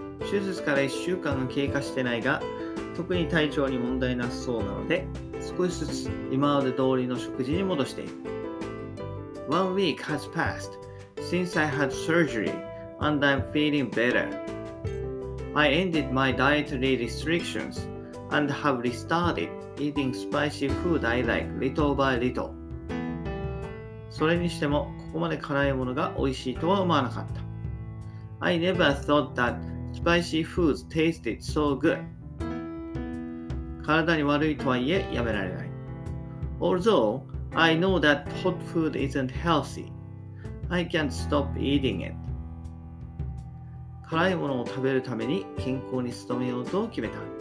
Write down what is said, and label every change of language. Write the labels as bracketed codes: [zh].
[ja] 手術から1週間が経過してないが、特に体調に問題なさそうなので、少しずつ今まで通りの食事に戻している。 [en] One week has passed since I had surgery and I'm feeling better. I ended my dietary restrictions and have restarted eating spicy food I like little by little. [ja] それにしても、ここまで辛いものが美味しいとは思わなかった。 [en] I never thought thatSpicy foods tasted so good. [ja] 体に悪いとはいえやめられない。 [en] Although I know that hot food isn't healthy, I can't stop eating it. [ja] 辛いものを食べるために健康に努めようと決めた。